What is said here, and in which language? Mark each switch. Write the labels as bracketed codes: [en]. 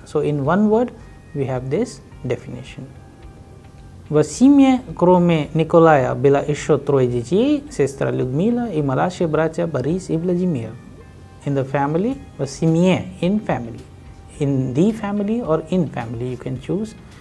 [en] So, in one word, we have this definition. [ru] В семье, кроме Николая, было еще трое детей, сестра Людмила и младшие братья Борис и Владимир. [en] In the family, [ru] в семье, [en] in family, in the family or in family, you can choose.